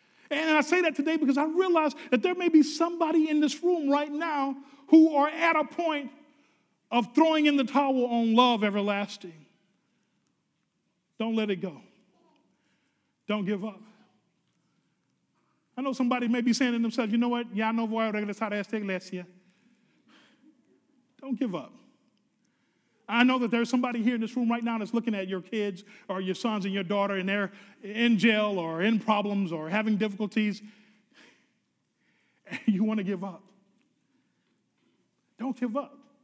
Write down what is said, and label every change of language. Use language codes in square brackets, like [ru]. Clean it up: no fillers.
[en] And I say that today because I realize that there may be somebody in this room right now who are at a point of throwing in the towel on love everlasting. Don't let it go. Don't give up. I know somebody may be saying to themselves, you know what? [es] Ya no voy a regresar a esta iglesia. [en] Don't give up. I know that there's somebody here in this room right now that's looking at your kids or your sons and your daughter, and they're in jail or in problems or having difficulties. And you want to give up. Don't give up.